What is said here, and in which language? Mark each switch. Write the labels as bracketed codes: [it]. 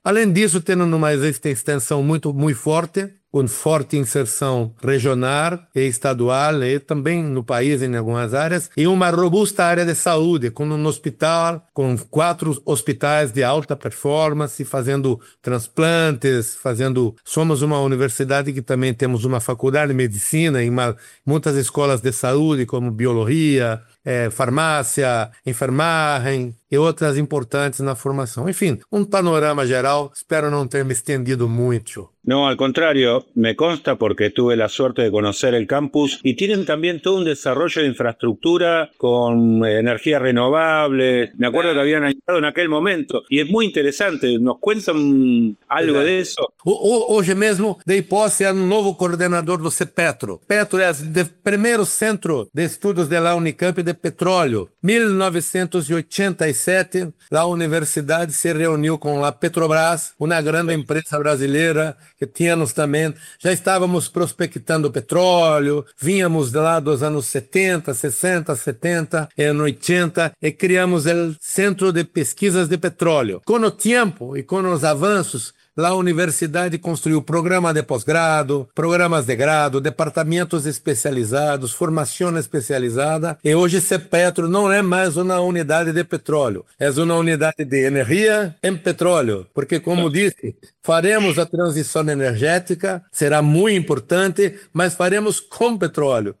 [pt] Além disso, tendo uma extensão muito, muito forte, com forte inserção regional e estadual, e também no país em algumas áreas, e uma robusta área de saúde, com um hospital, com 4 hospitais de alta performance, fazendo transplantes, somos uma universidade que também temos uma faculdade de medicina e muitas escolas de saúde, como biologia, farmácia, enfermagem e outras importantes na formação. Enfim, panorama geral, espero não ter me estendido muito. [es] No, al contrario, me consta porque tuve la suerte de conocer el campus y tienen también todo un desarrollo de infraestructura con energía renovable. Me acuerdo que habían añadido en aquel momento y es muy interesante. ¿Nos cuentan algo de eso? Hoy mismo [pt] dei posse [es] a un nuevo coordinador do CEPETRO. CEPETRO es el primer centro de estudios de la Unicamp de petróleo. 1987, la universidad se reunió con la Petrobras, una gran empresa brasileira. [pt] Que tínhamos também, já estávamos prospectando petróleo, vínhamos lá dos anos 70, 60, 70, e 80, e criamos o Centro de Pesquisas de Petróleo. Com o tempo e com os avanços, lá a universidade construiu programa de pós-grado, programas de grado, departamentos especializados, formação especializada, e hoje CEPETRO não é mais uma unidade de petróleo, é uma unidade de energia em petróleo, porque, como disse, faremos a transição energética, será muito importante, mas faremos com petróleo.